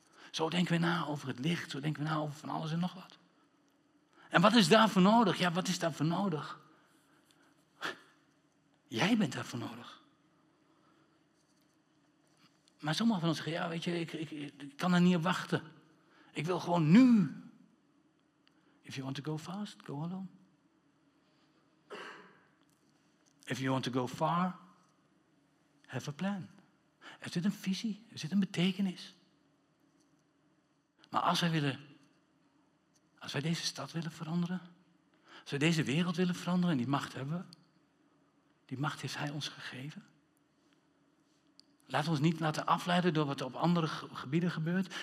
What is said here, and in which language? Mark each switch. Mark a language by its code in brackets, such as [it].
[nl] Zo denken we na over het licht. Zo denken we na over van alles en nog wat. En wat is daarvoor nodig? Ja, wat is daarvoor nodig? Jij bent daarvoor nodig. Maar sommigen van ons zeggen, ja, weet je, ik kan er niet op wachten. Ik wil gewoon nu. [en] If you want to go fast, go alone. If you want to go far, have a plan. [nl] Er zit een visie, er zit een betekenis. Maar als wij willen, als wij deze stad willen veranderen, als wij deze wereld willen veranderen en die macht hebben, die macht heeft Hij ons gegeven. Laat ons niet laten afleiden door wat er op andere gebieden gebeurt.